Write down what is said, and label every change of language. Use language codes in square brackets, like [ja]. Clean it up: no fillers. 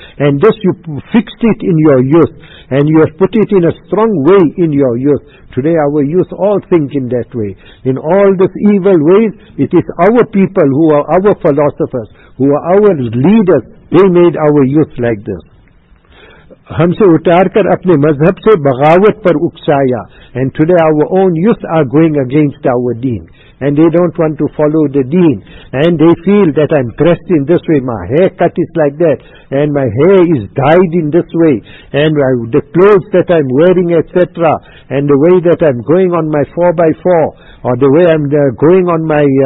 [en] And this you fixed it in your youth, and you have put it in a strong way in your youth. Today our youth all think in that way. In all these evil ways, it is our people who are our philosophers, who are our leaders, they made our youth like this. [ur] ہم سے اتار کر اپنے مذہب سے بغاوت پر اکسایا. [en] And today our own youth are going against our دین. and they don't want to follow the deen, and they feel that I'm dressed in this way, my haircut is like that, and my hair is dyed in this way, and the clothes that I'm wearing, etc., and the way that I'm going on my 4x4, or the way I'm going on my